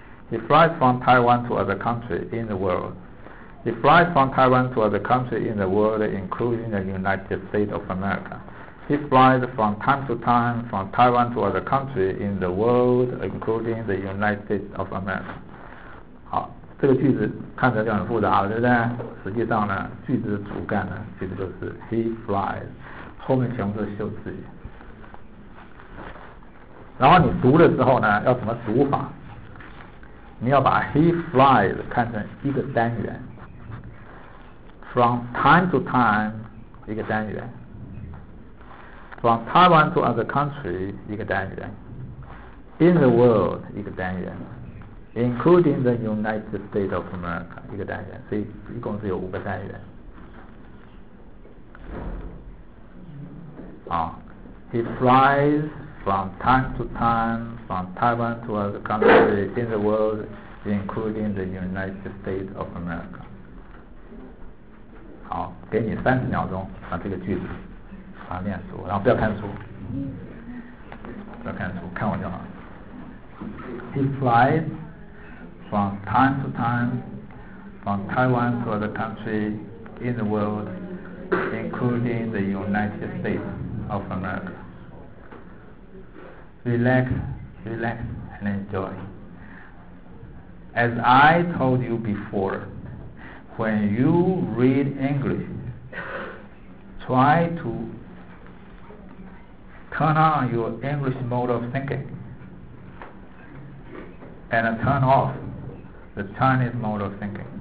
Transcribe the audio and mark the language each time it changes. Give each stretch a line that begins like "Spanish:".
English: He flies from Taiwan to other country in the world. He flies from Taiwan to other country in the world, including the United States of America. He flies from time to time from Taiwan to other country in the world, including the United States of America.
Chinese: 好，这个句子看起来就很复杂了，对不对？实际上呢，句子的主干呢，其实就是
English: he flies，
Chinese: 后面全部都是修辞语。然后你读的时候呢，要怎么读法？你要把
English: he flies
Chinese: 看成一个单元 ，
English: from time to time
Chinese: 一个单元 ，
English: from Taiwan to other country
Chinese: 一个单元 ，
English: in the world
Chinese: 一个单元 ，
English: including the United States of America
Chinese: 一个单元，所以一共是有五个单元。
English: 啊 ，he flies。 From time to time, from Taiwan to other countries in the world, including the United States of America.
Chinese: 好，给你三十秒钟把这个句子把它念熟，然后不要看书，不要看书，看我就好。
English: He flies from time to time, from Taiwan to other countries in the world, including the United States of America. Relax, relax, and enjoy. As I told you before, when you read English, try to turn on your English mode of thinking and turn off the Chinese mode of thinking.